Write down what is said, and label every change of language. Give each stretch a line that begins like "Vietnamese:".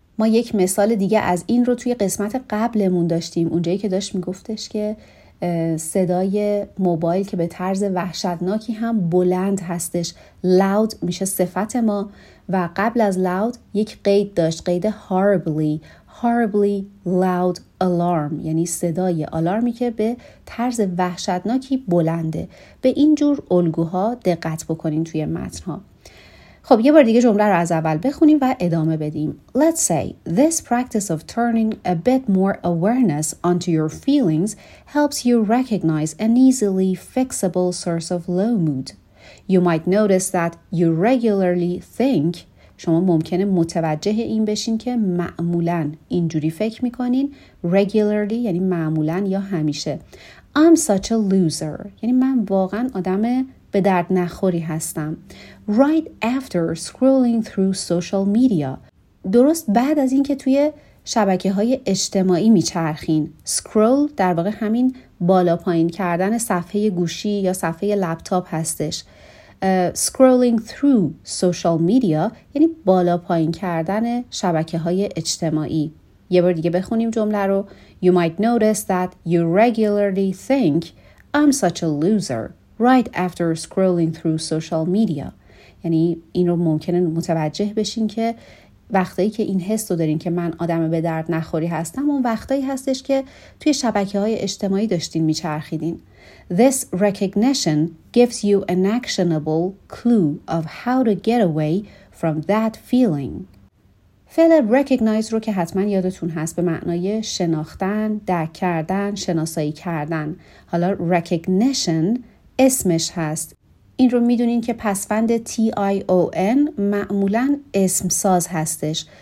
Persian: ما یک مثال دیگه از این رو توی قسمت قبلمون داشتیم، اونجایی که داشت میگفتش که صدای موبایل که به طرز وحشتناکی هم بلند هستش، loud میشه صفت ما، و قبل از loud یک قید داشت، قید horribly.
English: horribly loud alarm
Persian: یعنی صدای آلارمی که به طرز وحشتناکی بلنده. به این جور الگوها دقت بکنین توی متن‌ها. خب یه بار دیگه جمله رو از اول بخونیم و ادامه بدیم.
English: Let's say this practice of turning a bit more awareness onto your feelings helps you recognize an easily fixable source of low mood. You might notice that you regularly think،
Persian: شما ممکنه متوجه این بشین که معمولاً اینجوری فکر میکنین. regularly یعنی معمولاً یا همیشه.
English: I'm such a loser
Persian: یعنی من واقعاً آدم به درد نخوری هستم.
English: right after scrolling through social media،
Persian: درست بعد از این که توی شبکه‌های اجتماعی میچرخین. scroll در واقع همین بالا پایین کردن صفحه گوشی یا صفحه لپتاپ هستش.
English: scrolling through social media
Persian: یعنی بالا پایین کردن شبکه‌های اجتماعی. یه بار دیگه بخونیم جمله رو.
English: You might notice that you regularly think I'm such a loser right after scrolling through social media.
Persian: یعنی این رو ممکنه متوجه بشین که وقتایی که این حس رو دارین که من آدم به درد نخوری هستم، اون وقتایی هستش که توی شبکه‌های اجتماعی داشتین میچرخیدین.
English: This recognition gives you an actionable clue of how to get away from that feeling.
Persian: فعل recognize رو که حتما یادتون هست به معنای شناختن، درک کردن، شناسایی کردن. حالا recognition اسمش هست. این رو میدونین که پسفند T-I-O-N معمولا اسم ساز هستش.